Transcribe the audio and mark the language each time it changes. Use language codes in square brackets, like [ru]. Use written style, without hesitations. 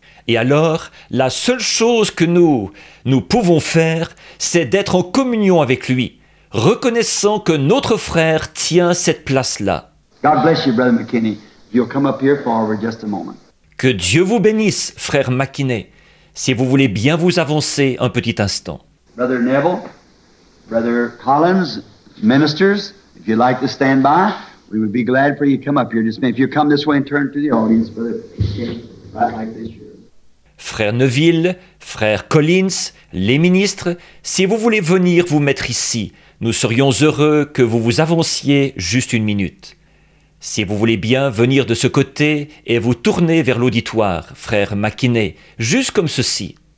[fr] Et alors, la seule chose que nous pouvons faire, c'est d'être en communion avec lui, reconnaissant que notre frère tient cette place-là. [en] God bless you, Brother McKinney. You'll come up here forward just a moment. [fr] Que Dieu vous bénisse, frère McKinney, si vous voulez bien vous avancer un petit instant. [en] Brother Neville, Brother Collins, ministers, if you'd like to stand by, we would be glad for you to come up here. Just if you come this way and turn to the audience, Brother McKinney, right like this. [fr] Frère Neville, frère Collins, les ministres, si vous voulez venir vous mettre ici, nous serions heureux que vous vous avanciez juste une minute. Si vous voulez bien venir de ce côté et vous tourner vers l'auditoire, frère McKinney, juste comme ceci.